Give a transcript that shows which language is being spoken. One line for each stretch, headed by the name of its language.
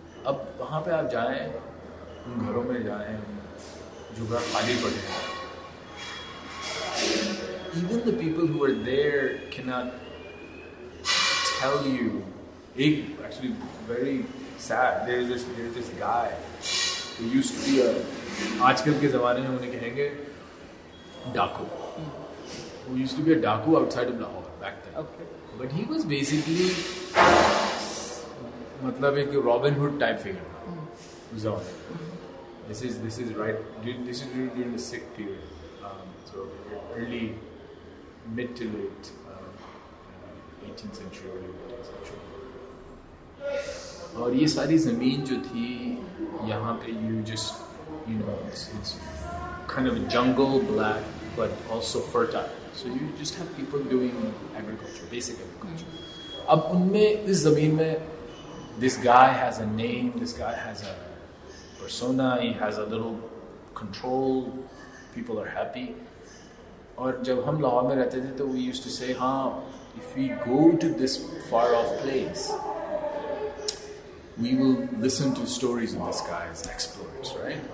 Hindi: अब वहाँ पे आप जाएं, उन घरों में जाएं जो घर खाली पड़े हैं,
English: even the people who are there can not tell you, एक actually very sad, there is this guy used to be a,
Hindi: आजकल के ज़माने में उन्हें कहेंगे डाकू,
English: who used to be a डाकू outside of Lahore back then. Okay. But he was basically,
Hindi: मतलब एक रॉबिन हुड टाइप फिगर था उस ज़माने में.
English: This is right, this is during the Sikh period, so early mid to late 18th century, early 19th century.
Hindi: और ये सारी ज़मीन जो थी यहाँ पे,
English: You just, you know, it's kind of jungle black but also fertile, so you just have people doing agriculture, basic agriculture.
Hindi: अब उनमें इस ज़मीन में
English: this guy has a name, this guy has a persona, he has a little control, people are happy.
Hindi: Aur jab hum Lahore mein rehte the,
English: we used to say, if we go to this far off place, we will listen to stories of this guy's exploits, right?